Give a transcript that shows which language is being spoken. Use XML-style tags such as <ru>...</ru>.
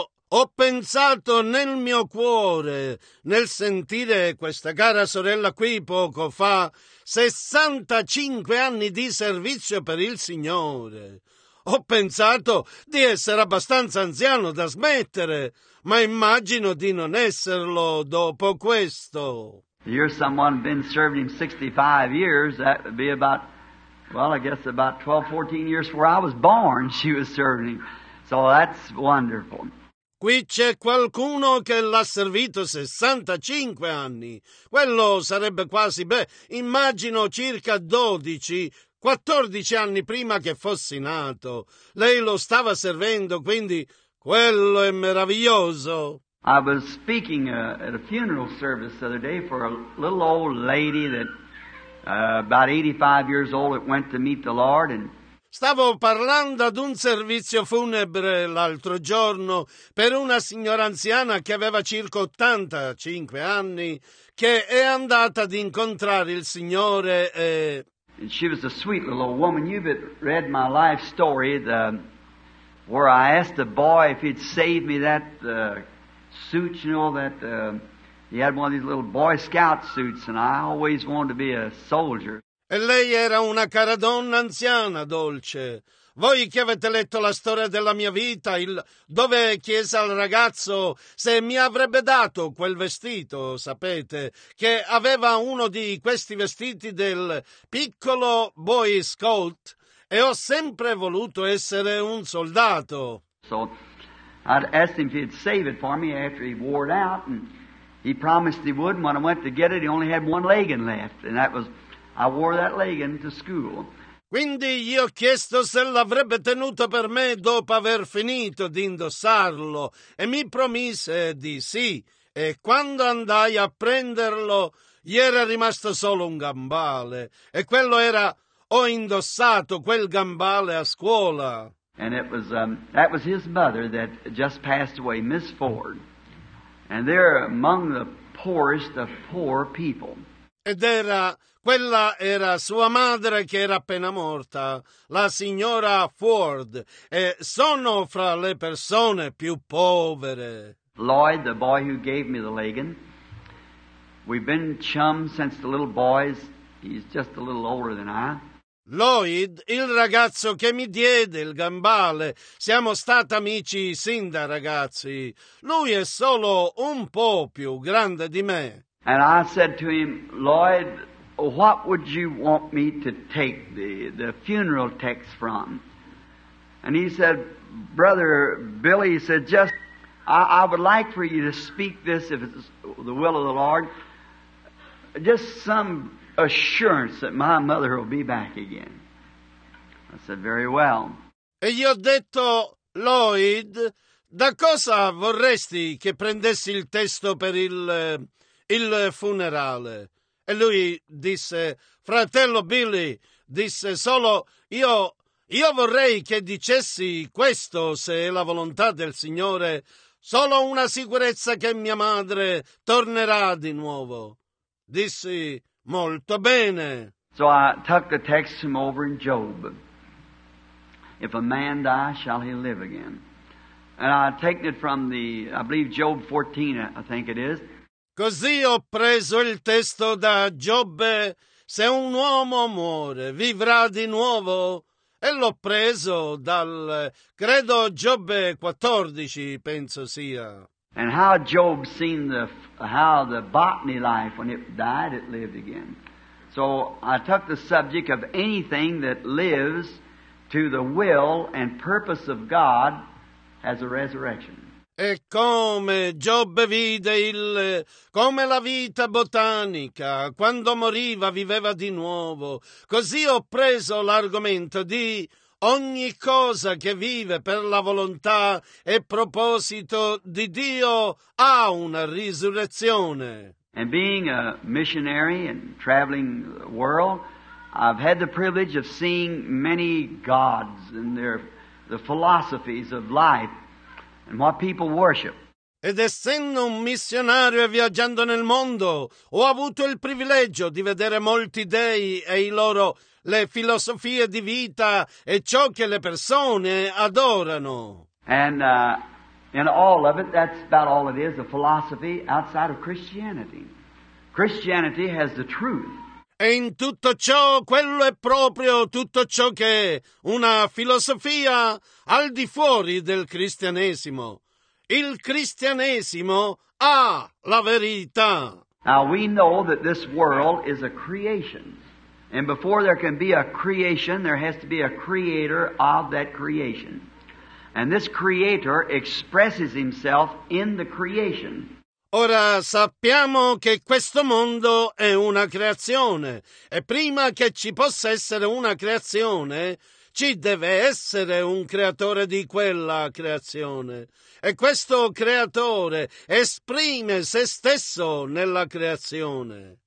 <it>Ho pensato nel mio cuore, nel sentire questa cara sorella qui poco fa, 65 anni di servizio per il Signore. Ho pensato di essere abbastanza anziano da smettere, ma immagino di non esserlo dopo questo.</it> <en>You're someone been serving 65 years, that would be about, well, I guess about 12, 14 years before I was born she was serving. So that's wonderful.</en> <it>Qui c'è qualcuno che l'ha servito 65 anni. Quello sarebbe quasi, immagino circa 12, 14 anni prima che fossi nato. Lei lo stava servendo, quindi quello è meraviglioso.</it> <en>I was speaking at a funeral service the other day for a little old lady that about 85 years old that went to meet the Lord and</en> <it>stavo parlando ad un servizio funebre l'altro giorno per una signora anziana che aveva circa 85 anni che è andata ad incontrare il Signore e...</it> <en>And she was a sweet little woman. You've read my life story where I asked the boy if he'd save me that suit, you know, that he had one of these little Boy Scout suits and I always wanted to be a soldier.</en> <it>E lei era una cara donna anziana, dolce. Voi che avete letto la storia della mia vita, dove chiese al ragazzo se mi avrebbe dato quel vestito, sapete, che aveva uno di questi vestiti del piccolo Boy Scout, e ho sempre voluto essere un soldato.</it> <en>So I'd asked him if he'd save it for me after he wore it out, and he promised he would, and when I went to get it, he only had one legging left, and that was, I wore that legging to school.</en> <it>Quindi gli ho chiesto se l'avrebbe tenuto per me dopo aver finito di indossarlo, e mi promise di sì, e quando andai a prenderlo, gli era rimasto solo un gambale, e quello era, ho indossato quel gambale a scuola.</it> <en>And it was that was his mother that just passed away, Miss Ford. And they're among the poorest of poor people.</en> <it>Ed era, quella era sua madre che era appena morta, la signora Ford. E sono fra le persone più povere.</it> <en>Lloyd, the boy who gave me the legging, we've been chums since the little boys. He's just a little older than I.</en> <it>Lloyd, il ragazzo che mi diede il gambale, siamo stati amici sin da ragazzi. Lui è solo un po' più grande di me.</it> <en>And I said to him, Lloyd, what would you want me to take the funeral text from? And he said, Brother Billy, he said, just I would like for you to speak this if it's the will of the Lord. Just some assurance that my mother will be back again. I said, very well.</en> <it>E gli ho detto, Lloyd, da cosa vorresti che prendessi il testo per il funerale? E lui disse, fratello Billy, disse solo, io vorrei che dicessi questo, se è la volontà del Signore, solo una sicurezza che mia madre tornerà di nuovo. Dissi, molto bene.</it> <en>So I tucked the text from over in Job. If a man die, shall he live again? And I take it from the, I believe Job 14, I think it is.</en> <it>Così ho preso il testo da Giobbe, se un uomo muore, vivrà di nuovo. E l'ho preso dal, credo, Giobbe 14, penso sia.</it> <en>And how Job seen how the botany life, when it died, it lived again. So I took the subject of anything that lives to the will and purpose of God as a resurrection.</en> <it>E come Giobbe vide come la vita botanica, quando moriva viveva di nuovo, così ho preso l'argomento di ogni cosa che vive per la volontà e proposito di Dio ha una risurrezione.</it> <en>And being a missionary and traveling the world, I've had the privilege of seeing many gods and the philosophies of life and what people worship.</en> <it>Ed essendo un missionario e viaggiando nel mondo, ho avuto il privilegio di vedere molti dei e i loro, le filosofie di vita e ciò che le persone adorano.</it> <en>And in all of it, that's about all it is, a philosophy outside of Christianity. Christianity has the truth.</en> <it>E in tutto ciò, quello è proprio tutto ciò che è una filosofia al di fuori del cristianesimo. Il cristianesimo ha la verità.</it> <en>Now we know that this world is a creation. And before there can be a creation, there has to be a creator of that creation. And this creator expresses himself in the creation.</en> <it>Ora sappiamo che questo mondo è una creazione, e prima che ci possa essere una creazione, ci deve essere un creatore di quella creazione. E questo creatore esprime se stesso nella creazione.</it>